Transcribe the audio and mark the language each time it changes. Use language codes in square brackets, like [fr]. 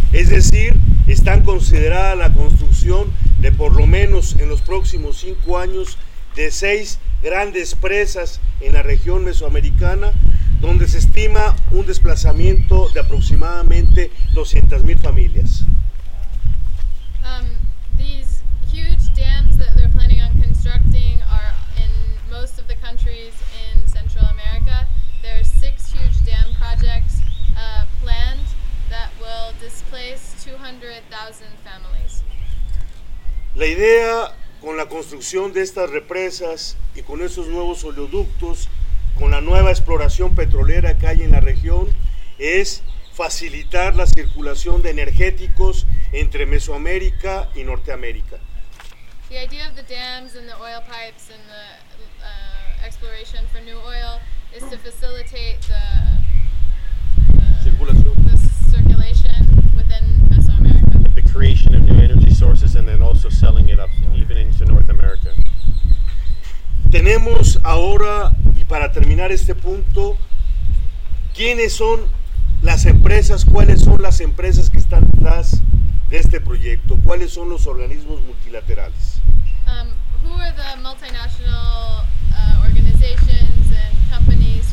[es] Es decir, están consideradas la construcción de por lo menos en los próximos 5 años de 6 grandes presas en la región mesoamericana, donde se estima un desplazamiento de aproximadamente 200,000 familias. [en] These huge dams that they're planning on constructing are in most of the countries in Central America. There are 6 huge dam projects planned that will displace 200,000 families. [es] La idea con la construcción de estas represas y con esos nuevos oleoductos, con la nueva exploración petrolera que hay en la región, es facilitar la circulación de energéticos entre Mesoamérica y Norteamérica. [en] the idea of the dams and the oil pipes and the exploration for new oil is to facilitate the circulation within Mesoamerica. The creation of new energy sources and then also selling it up even into North America. [es] Tenemos ahora, y para terminar este punto, ¿quiénes son las empresas? ¿Cuáles son las empresas que están detrás de este proyecto? ¿Cuáles son los organismos multilaterales? [en] Who are the multinational organizations and companies?